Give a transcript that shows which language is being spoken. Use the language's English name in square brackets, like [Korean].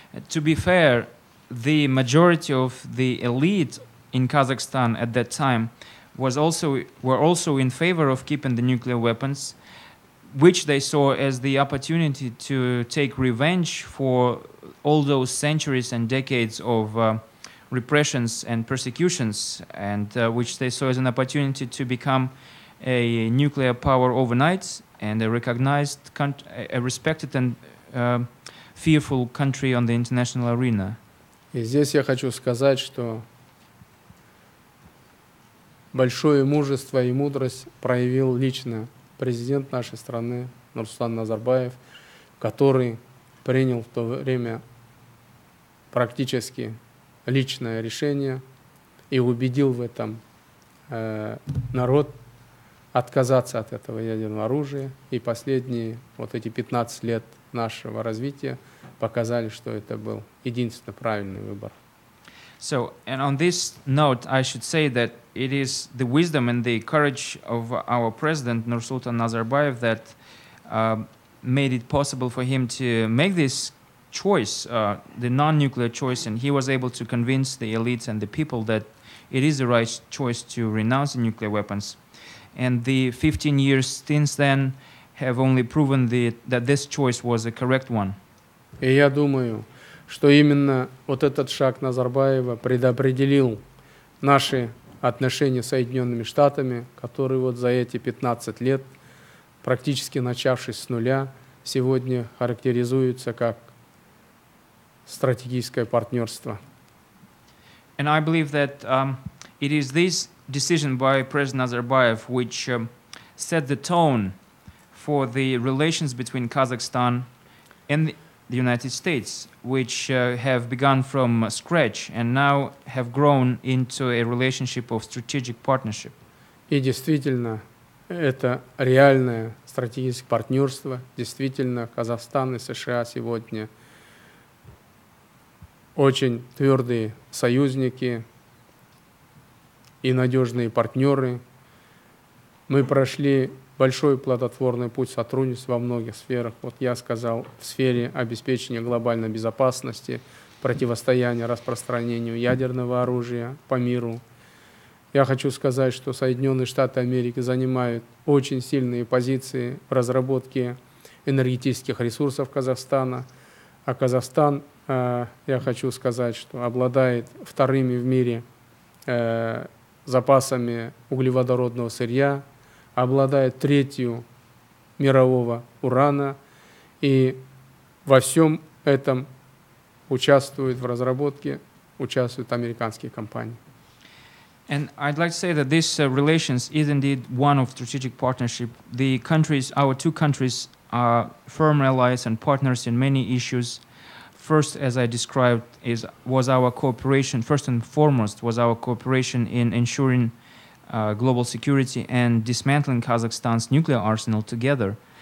[English] To be fair, the majority of the elite in Kazakhstan at that time were also in favor of keeping the nuclear weapons, which they saw as the opportunity to take revenge for all those centuries and decades of repressions and persecutions, and which they saw as an opportunity to become a nuclear power overnight and a recognized, a respected and fearful country on the international arena. [Russian] И здесь я хочу сказать, что большое мужество и мудрость проявил лично президент нашей страны Нурсултан Назарбаев, который принял в то время практически личное решение и убедил в этом народ отказаться от этого ядерного оружия. И последние вот эти 15 лет нашего развития показали, что это был единственно правильный выбор. [English] So, and on this note, I should say that it is the wisdom and the courage of our president, Nursultan Nazarbayev, that made it possible for him to make this choice, the non-nuclear choice, and he was able to convince the elites and the people that it is the right choice to renounce the nuclear weapons. And the 15 years since then have only proven the, that this choice was a correct one. [Russian] И я думаю, что именно вот этот шаг Назарбаева предопределил наши отношения с Соединенными Штатами, которые вот за эти 15 лет, практически начавшись с нуля, сегодня характеризуются как стратегическое партнерство. [English] And I believe that it is this decision by President Nazarbayev which set the tone for the relations between Kazakhstan and the United States, which have begun from scratch and now have grown into a relationship of strategic partnership. [Russian] И действительно, это реальное стратегическое партнерство. Действительно, Казахстан и США сегодня очень твердые союзники и надежные партнеры. Мы прошли большой плодотворный путь сотрудничества во многих сферах. Вот я сказал, в сфере обеспечения глобальной безопасности, противостояния распространению ядерного оружия по миру. Я хочу сказать, что Соединенные Штаты Америки занимают очень сильные позиции в разработке энергетических ресурсов Казахстана. А Казахстан, я хочу сказать, что обладает вторыми в мире запасами углеводородного сырья, обладает третью мирового урана и во всем этом участвует в разработке, участвуют американские компании. [English] And I'd like to say that this relations is indeed one of strategic partnership. The countries, our two countries, are firm allies and partners in many issues. First, as I described, is was our cooperation, first and foremost, was our cooperation in ensuring global security and dismantling Kazakhstan's nuclear arsenal together.